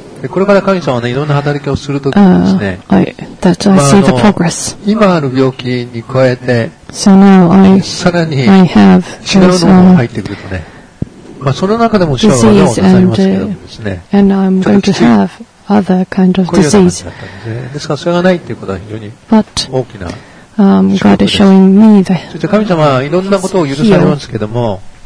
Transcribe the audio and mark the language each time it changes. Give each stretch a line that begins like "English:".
Japanese: これから神様はね、いろんな働きをするときにですね、今ある病気に加えて、
English: so、now I,
Japanese: さらに
English: I have those,
Japanese: 違うものが入ってくるとね、まあ、その中でも主は技をなさいますけどですね、
English: and I'm going to have other kind of disease.
Japanese: こういうような感じだったんですね。ですからそれがないということは非常に大きな仕事です。
English: But, God is
Japanese: そして神様はいろんなことを許されますけども、